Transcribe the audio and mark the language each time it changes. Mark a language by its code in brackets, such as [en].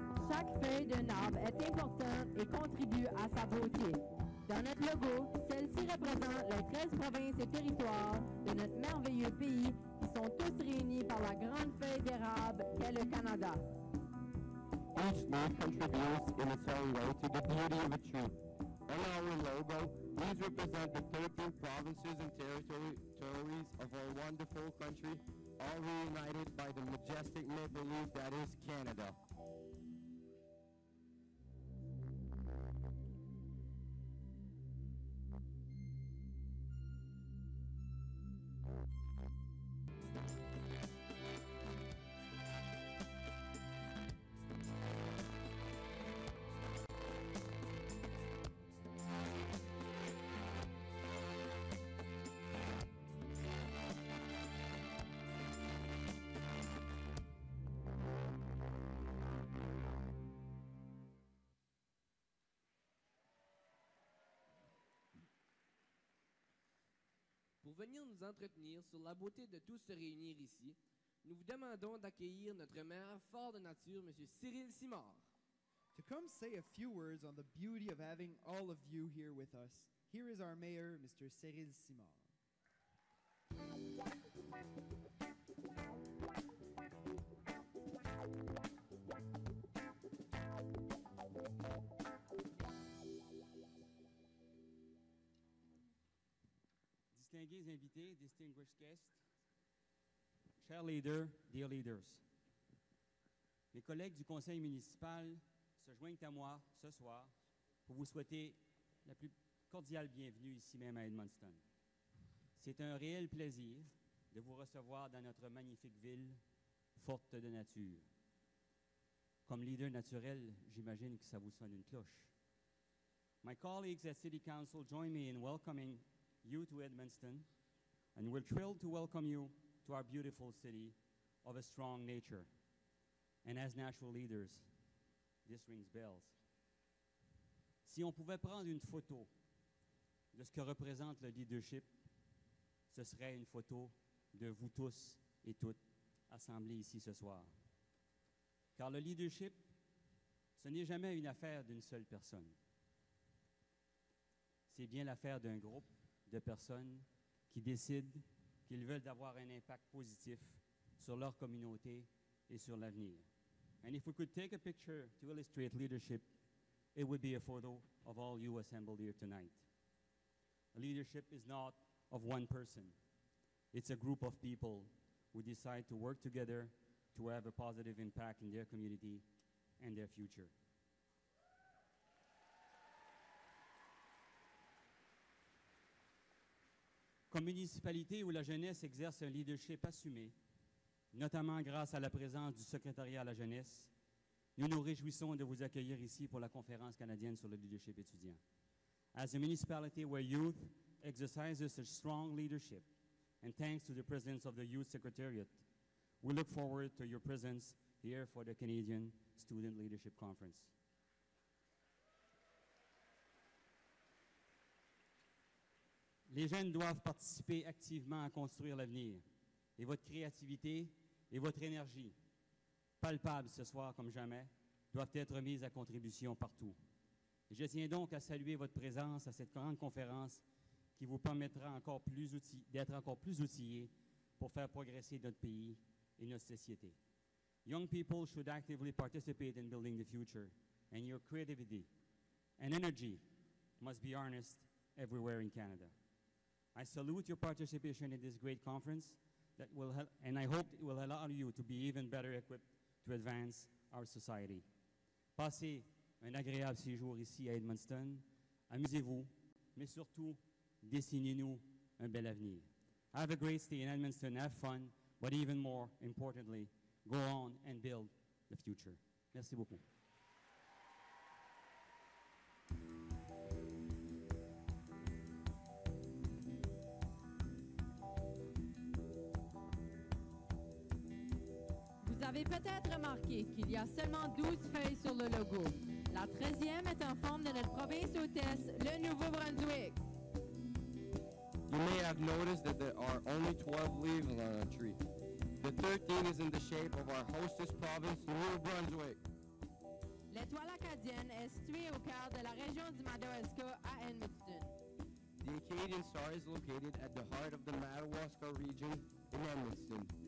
[fr] Chaque feuille d'un arbre est importante et contribue à sa beauté. Dans notre logo, celle-ci représente les 13 provinces et territoires de notre merveilleux pays qui sont tous réunis par la grande feuille d'érable qu'est le Canada. [en] Each leaf contributes in its own way to the beauty of a tree. On our logo, these represent the 13 provinces and territories of our wonderful country, all reunited by the majestic maple leaf that is Canada. [fr] Venir nous entretenir sur la beauté de tous se réunir ici, nous vous demandons d'accueillir notre maire fort de nature, M. Cyril Simard. [en] To come say a few words on the beauty of having all of you here with us, here is our mayor, Mr. Cyril Simard. [fr] Distingués invités, [en] distinguished guests, [fr] chers leaders, [en] dear leaders, [fr] mes collègues du conseil municipal se joignent à moi ce soir pour vous souhaiter la plus cordiale bienvenue ici même à Edmundston. C'est un réel plaisir de vous recevoir dans notre magnifique ville, forte de nature. Comme leader naturel, j'imagine que ça vous sonne une cloche. [en] My colleagues at City Council join me in welcoming you to Edmundston, and we're thrilled to welcome you to our beautiful city of a strong nature. And as natural leaders, this rings bells. [fr] Si on pouvait prendre une photo de ce que représente le leadership, ce serait une photo de vous tous et toutes assemblés ici ce soir. Car le leadership, ce n'est jamais une affaire d'une seule personne. C'est bien l'affaire d'un groupe de personnes qui décident qu'ils veulent avoir un impact positif sur leur communauté et sur l'avenir. [en] And if we could take a picture to illustrate leadership, it would be a photo of all you assembled here tonight. Leadership is not of one person. It's a group of people who decide to work together to have a positive impact in their community and their future. [fr] Comme municipalité où la jeunesse exerce un leadership assumé, notamment grâce à la présence du secrétariat à la jeunesse, nous nous réjouissons de vous accueillir ici pour la conférence canadienne sur le leadership étudiant. [en] As a municipality where youth exercises a strong leadership, and thanks to the presence of the youth secretariat, we look forward to your presence here for the Canadian Student Leadership Conference. [fr] Les jeunes doivent participer activement à construire l'avenir, et votre créativité et votre énergie, palpables ce soir comme jamais, doivent être mises à contribution partout. Je tiens donc à saluer votre présence à cette grande conférence qui vous permettra encore plus d'être encore plus outillés pour faire progresser notre pays et notre société. [en] Young people should actively participate in building the future, and your creativity and energy must be harnessed everywhere in Canada. I salute your participation in this great conference, that will help, and I hope it will allow you to be even better equipped to advance our society. [fr] Passez un agréable séjour ici à Edmundston. Amusez-vous, mais surtout, dessinez-nous un bel avenir. [en] Have a great stay in Edmundston. Have fun, but even more importantly, go on and build the future. [fr] Merci beaucoup. Vous avez peut-être remarqué qu'il y a seulement 12 feuilles sur le logo. La 13e est en forme de notre province hôtesse, le Nouveau-Brunswick. [en] You may have noticed that there are only 12 leaves on our tree. The 13 is in the shape of our hostess province, Nouveau-Brunswick. [fr] L'étoile acadienne est située au cœur de la région du Madawaska à Edmundston. [en] The Acadian star is located at the heart of the Madawaska region in Edmundston.